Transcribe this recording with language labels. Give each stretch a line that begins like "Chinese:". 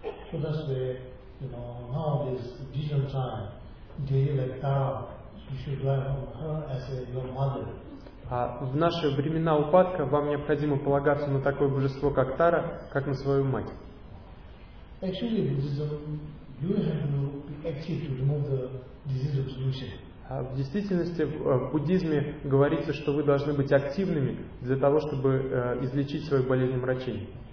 English: So that's the, you know, now this vision time, they like Tara, you should rely on her as your mother.
Russian: А в наши времена упадка вам необходимо полагаться на такое божество, как Тара, как на свою мать.
English: Actually, Buddhism, you have to be active to remove the disease of delusion.
Russian: В действительности, в буддизме говорится, что вы должны быть активными для того, чтобы излечить свою болезнь омрачений.